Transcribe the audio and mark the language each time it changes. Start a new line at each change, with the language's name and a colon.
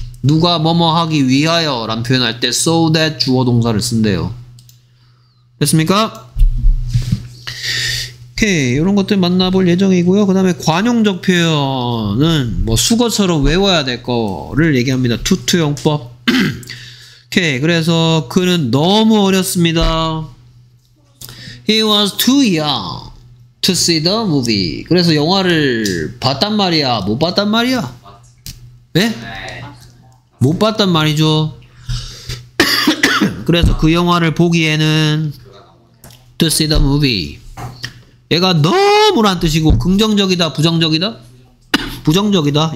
Korean: 누가 뭐뭐하기 위하여 라는 표현할 때
English: so that
Korean: 주어동사를 쓴대요. 됐습니까? 오케이. 이런 것들 만나볼 예정이고요. 그 다음에 관용적 표현은 뭐 수거처럼 외워야 될 거를 얘기합니다. 투투용법. 오케이. 그래서 그는 너무 어렸습니다.
English: He was too young to see the movie.
Korean: 그래서 영화를 봤단 말이야? 못 봤단 말이야? 예? 네? 못 봤단 말이죠. 그래서 그 영화를 보기에는
English: to see the movie.
Korean: 얘가 너무란 뜻이고 긍정적이다 부정적이다? 부정적이다.